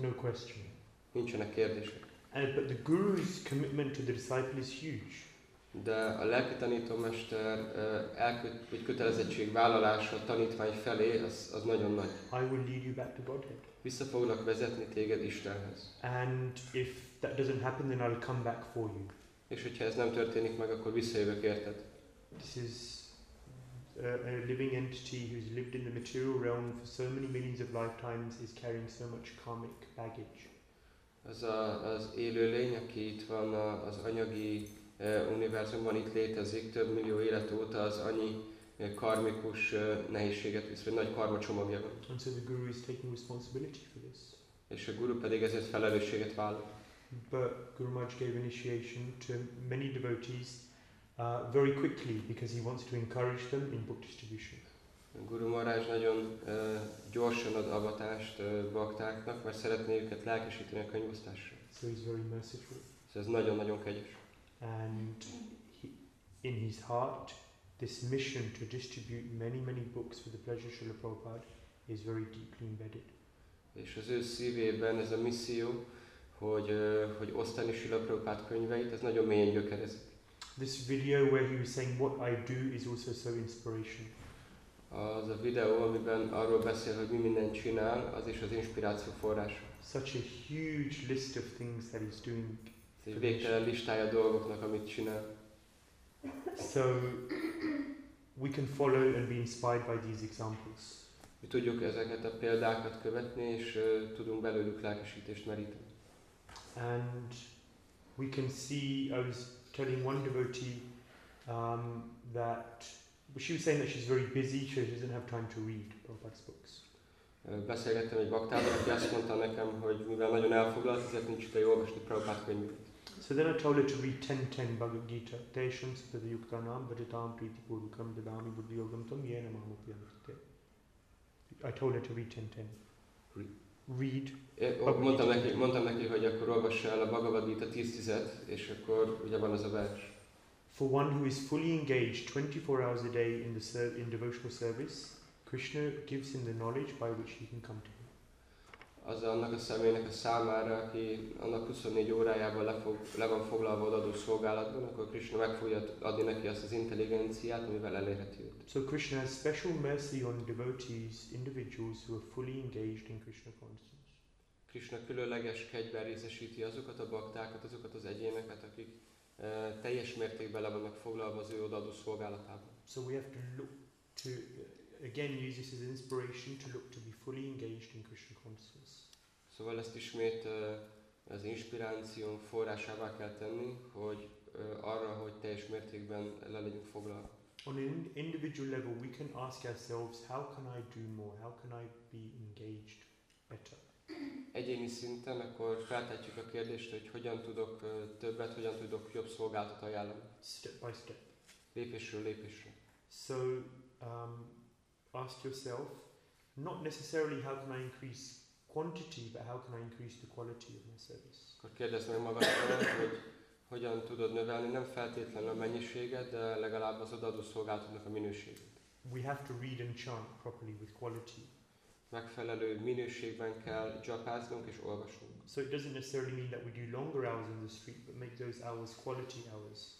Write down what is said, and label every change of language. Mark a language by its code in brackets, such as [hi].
[en] No question. [hu] Nincsenek kérdések. [en] But the guru's commitment to the disciple is huge. [hu] De a lelki tanítómester kötelezettség vállalása a tanítvány felé, az nagyon nagy. [en] I will lead you back to Godhead. [hu] Vissza fognak vezetni téged Istenhez. [en] And if that doesn't happen, then I'll come back for you. [hu] És hogyha ez nem történik meg, akkor visszajövök érted. [en] This is a living entity who's lived in the material realm for so many millions of lifetimes, is carrying so much karmic baggage. [hu] Ez az élő lény, aki itt van az anyagi univerzumban, itt létezik több millió élet óta, az annyi karmikus nehézséget visz, vagy nagy karma csomagja van. [en] And so the guru is taking responsibility for this. [hu] És a guru pedig ezért felelősséget vállal. [en] But Guru Maharaj gave initiation to many devotees very quickly, because he wants to encourage them in book distribution. [hu] Guru Maharaj nagyon gyorsan ad avatást baktáknak, mert szeretné őket lelkesíteni a könyvosztásra. [en] So he's very merciful. [hu] Szóval ez nagyon-nagyon kegyes. [en] And in his heart, this mission to distribute many, many books for the pleasure of Srila Prabhupada is very deeply embedded. [hu] És az ő szívében ez a misszió, hogy osztani Srila Prabhupada könyveit, ez nagyon mélyen gyökerezik. [en] This video where he was saying what I do is also so inspirational. [hu] Az a videó, amiben arról beszél, hogy mi mindent csinál, az is az inspiráció forrása. [en] Such a huge list of things that he's doing. [hu] Egy végtelen listája a dolgoknak, amit csinál. [en] So we can follow and be inspired by these examples. [hu] Mi tudjuk ezeket a példákat követni, és tudunk belőlük lelkesítést meríteni. [en] And we can see, I was telling one devotee that she was saying that she's very busy, so she doesn't have time to read Prabhupada's books. [hu] Beszélgettem egy baktával, aki azt mondta nekem, hogy mivel nagyon elfoglalt, ezért nincs ideje olvasni Prabhupada könyvét. [en] So then I told her to read 10-10 Bhagavad Gita. [sa] Teshan Sattva Yukta Naam Bhajatam Priti Purvakam Dadami Buddhi Yogam Tam Yena Mahamupi Anukte. [en] I told her to read 10-10. Read. [hu] Mondtam neki, hogy akkor olvass el a Bhagavad Gita 10-10-et, és akkor ugye van az a vers. [en] For one who is fully engaged 24 hours a day in the devotional service, Krishna gives him the knowledge by which he can come to him. [hu] az annak a személynek a számára, aki annak 24 órájában le van foglalva odaadó szolgálatban, akkor Krishna meg fogja adni neki azt az intelligenciát, amivel elérheti őt. [en] So Krishna has special mercy on devotees, individuals who are fully engaged in Krishna consciousness. [hu] Krishna különleges kegyben részesíti azokat a baktákat, azokat az egyéneket, akik teljes mértékben le vannak foglalva az ő odaadó szolgálatában. [en] So we have to look to again use this as inspiration to look to be fully engaged in Krishna consciousness. [hu] Szóval ezt ismét az inspiráció forrásává kell tenni, hogy arra, hogy teljes mértékben le legyünk foglalva. [en] On an individual level we can ask ourselves, how can I do more? How can I be engaged better? [hu] Egyéni szinten akkor feltehetjük a kérdést, hogy hogyan tudok többet, hogyan tudok jobb szolgálatot ajánlani. [en] Step by step. [hu] Lépésről lépésre. [en] So ask yourself, not necessarily how can I increase quantity, but how can I increase the quality of my service. [hu] Akkor kérdezd meg magadtól, hogy hogyan tudod növelni, nem feltétlenül a mennyiséget, de legalább az odaadó szolgálatodnak a minőségét. [en] We have to read and chant properly with quality. [hu] Megfelelő minőségben kell japáznunk és olvasnunk. [en] So it doesn't necessarily mean that we do longer hours in the street, but make those hours quality hours.